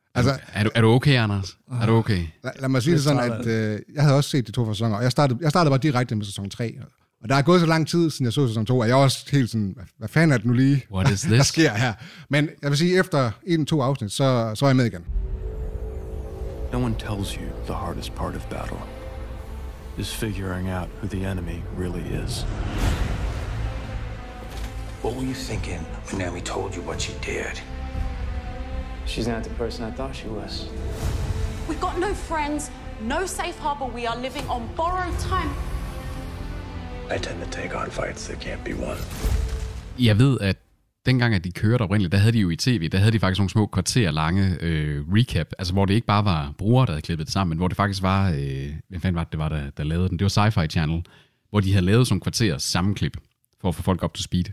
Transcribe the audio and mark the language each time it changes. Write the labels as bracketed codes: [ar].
[da] Altså, er du okay, Anders? Er du okay? Lad mig sige det sådan, at jeg havde også set de to sæsoner, og jeg startede bare direkte med sæson 3. Og der er gået så lang tid, siden jeg så sæson 2, at jeg også helt sådan, hvad fanden er det nu lige, [en] what is this? [da] Der sker her? Men jeg vil sige, efter 1-2 afsnit, så er jeg med igen. [en] No one tells you the hardest part of battle is figuring out who the enemy really is. What were you thinking when Naomi told you what she did? She's not the person I thought she was. We've got no friends, no safe harbor. We are living on borrowed time. I tend to take on fights that can't be won. [da] Jeg ved, at dengang, at de kørte oprindeligt, der havde de jo i tv, der havde de faktisk nogle små kvarter lange recap, altså hvor det ikke bare var brugere, der havde klippet det sammen, men hvor det faktisk var, hvem fanden var det, der lavede den? Det var Sci-Fi Channel, hvor de havde lavet sådan kvarter samme klip, for at få folk [en] op to speed.